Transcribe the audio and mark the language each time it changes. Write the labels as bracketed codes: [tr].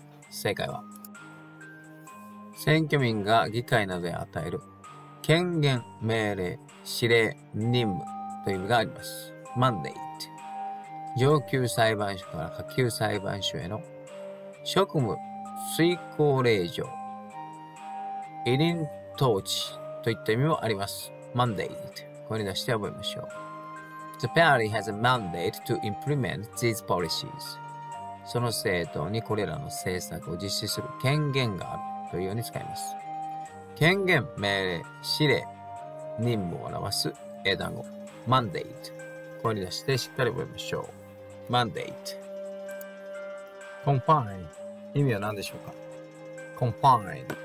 [ja] 正解は選挙民が議会などに与える権限、命令、指令、任務という意味があります。 Mandate 上級裁判所から下級裁判所への職務遂行令状委任統治といった意味もあります。 Mandate ここに出して覚えましょう。 [en] The party has a mandate to implement these policies. [ja] その政党にこれらの政策を実施する権限があるというように使います。権限、命令、指令、任務を表す英単語、mandate。声に出してしっかり覚えましょう。 mandate。 confine。 意味は何でしょうか ?confine。